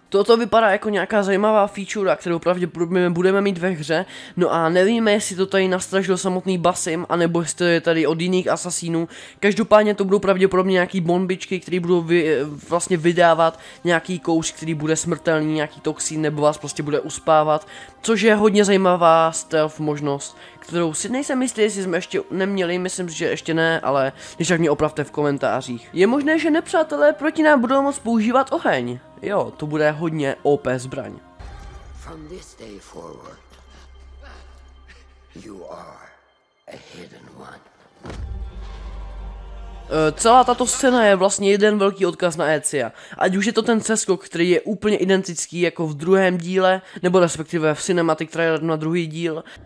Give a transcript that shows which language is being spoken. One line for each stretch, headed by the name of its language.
Czech: Toto vypadá jako nějaká zajímavá feature, kterou pravděpodobně budeme mít ve hře, no a nevíme, jestli to tady nastražil samotný Basim, anebo jestli to je tady od jiných asasínů, každopádně to budou pravděpodobně nějaký bombičky, které budou vlastně vydávat nějaký kouř, který bude smrtelný, nějaký toxín, nebo vás prostě bude uspávat, což je hodně zajímavá stealth možnost, kterou si nejsem jistý, jestli jsme ještě neměli, myslím si, že ještě ne, ale když tak mě opravte v komentářích. Je možné, že nepřátelé proti nám budou moct používat oheň. Jo, to bude hodně OP zbraň.
English: From this day forward, you are a hidden one.
Czech: Celá tato scéna je vlastně jeden velký odkaz na Ezia. Ať už je to ten seskok, který je úplně identický jako v druhém díle, nebo respektive v cinematic trailer na druhý díl.